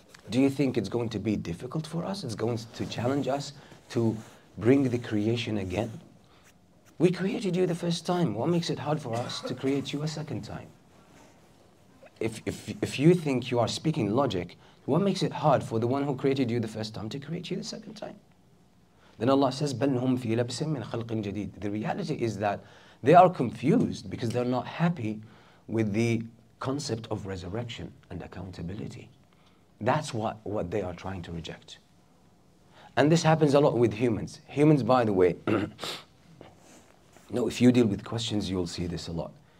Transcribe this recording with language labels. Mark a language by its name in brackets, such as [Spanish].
[English] Do you think it's going to be difficult for us? It's going to challenge us to bring the creation again? We created you the first time. What makes it hard for us to create you a second time? If you think you are speaking logic, what makes it hard for the one who created you the first time to create you the second time? Then Allah says, [Arabic] بَلْ هُمْ فِي لَبْسٍ مِّنْ خَلْقٍ جَدِيدٍ. [English] The reality is that they are confused because they're not happy with the concept of resurrection and accountability. That's what they are trying to reject. And this happens a lot with humans. Humans, by the way, no, if you deal with questions, you'll see this a lot.